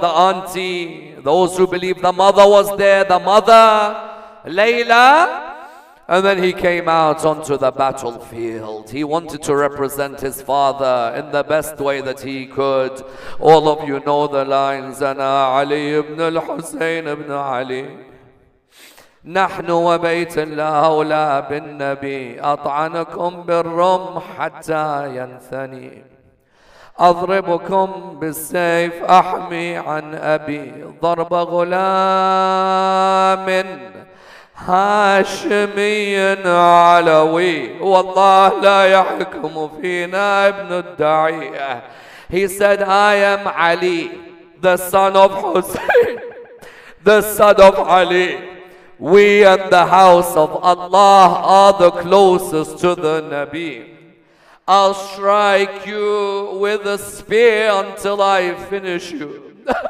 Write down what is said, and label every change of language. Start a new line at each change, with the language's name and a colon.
English: The auntie, those who believe the mother was there, the mother, Layla. And then he came out onto the battlefield. He wanted to represent his father in the best way that he could. All of you know the lines. Ana Ali ibn al-Husayn ibn Ali.
Arabic: نحن وبيت الله أولى بالنبي أطعنكم بالرم حتى ينثني أضربكم بالسيف أحمي عن أبي ضرب غلام هاشمي علوي والله لا يحكم فينا ابن الدعية.
English: He said, I am Ali, the son of Hussein, the son of Ali. We and the house of Allah are the closest to the Nabi. I'll strike you with a spear until I finish you.